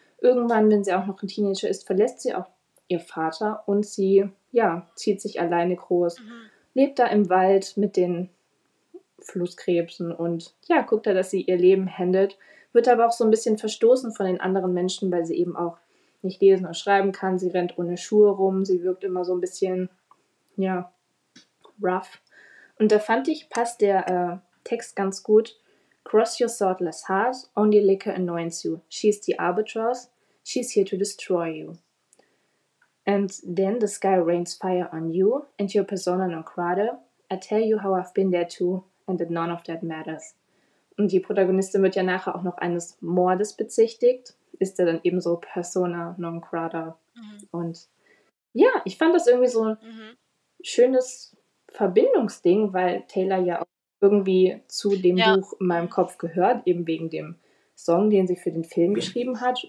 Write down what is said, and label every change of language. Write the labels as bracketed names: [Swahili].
[German] Irgendwann, wenn sie auch noch ein Teenager ist, verlässt sie auch ihr Vater und sie, ja, zieht sich alleine groß, lebt da im Wald mit den Flusskrebsen und ja, guckt da, dass sie ihr Leben handelt, wird aber auch so ein bisschen verstoßen von den anderen Menschen, weil sie eben auch nicht lesen und schreiben kann, sie rennt ohne Schuhe rum, sie wirkt immer so ein bisschen, ja, rough. Und da fand ich, passt der Text ganz gut. [English] Cross your swordless heart, only liquor anoints you. She's the albatross, she's here to destroy you. And then the sky rains fire on you, and your persona non grata. I tell you how I've been there too, and that none of that matters. [German] Und die Protagonistin wird ja nachher auch noch eines Mordes bezichtigt. Ist er dann eben so persona non grata. Mhm. Und ja, ich fand das irgendwie so ein schönes Verbindungsding, weil Taylor ja auch irgendwie zu dem Buch in meinem Kopf gehört, eben wegen dem Song, den sie für den Film geschrieben hat.